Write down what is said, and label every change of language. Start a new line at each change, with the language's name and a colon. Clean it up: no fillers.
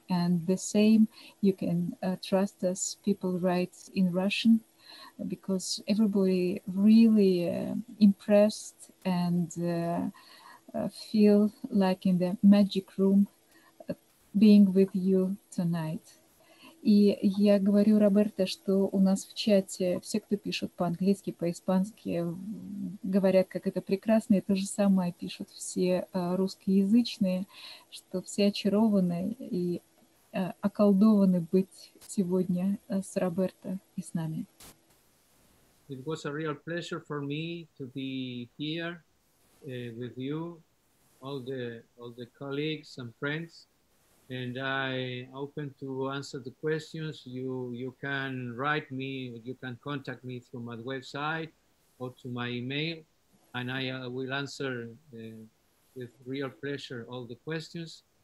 English: And the same, you can trust us, people write in Russian, because everybody really impressed and feel like in the magic room being with you tonight.
Russian: И я говорю Роберто, что у нас в чате все, кто пишут по-английски, по-испански, говорят, как это прекрасно, и то же самое пишут все русскоязычные, что все очарованы и околдованы быть сегодня с Роберто и с нами.
English: It was a real pleasure for me to be here with you, all the colleagues and friends, and I open to answer the questions. You can write me, you can contact me through my website or to my email, and I will answer with real pleasure all the questions.